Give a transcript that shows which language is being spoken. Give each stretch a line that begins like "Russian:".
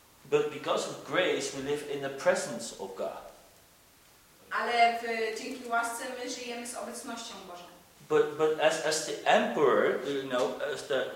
English: But because of grace, we live in the presence of God.
Polish: Ale dzięki łasce my żyjemy z obecnością Bożą.
English: But as the emperor, you know, as the.